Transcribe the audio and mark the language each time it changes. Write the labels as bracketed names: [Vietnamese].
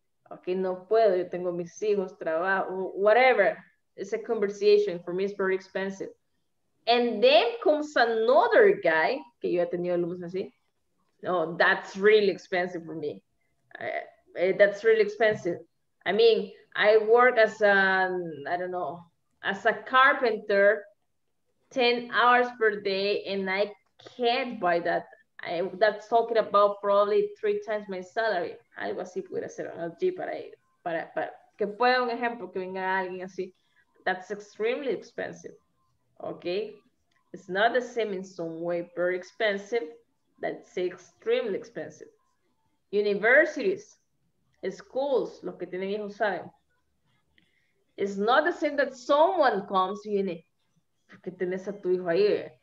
[Spanish] Okay, no puedo, yo tengo mis hijos, trabajo, whatever. [English] It's a conversation, for me, it's very expensive. And then comes another guy, [Spanish] que yo he tenido alumnos así. [English] No, that's really expensive for me. That's really expensive. I mean, I work as a carpenter 10 hours per day, and I can't buy that. That's talking about probably 3 times my salary. [Spanish] Algo así pudiera ser un LG para que pueda un ejemplo, que venga alguien así. [English] That's extremely expensive, okay? It's not the same in some way, very expensive. That's extremely expensive. Universities, schools, [Spanish] los que tienen hijos saben. [English] It's not the same that someone comes to uni, [Spanish] porque tienes a tu hijo ahí.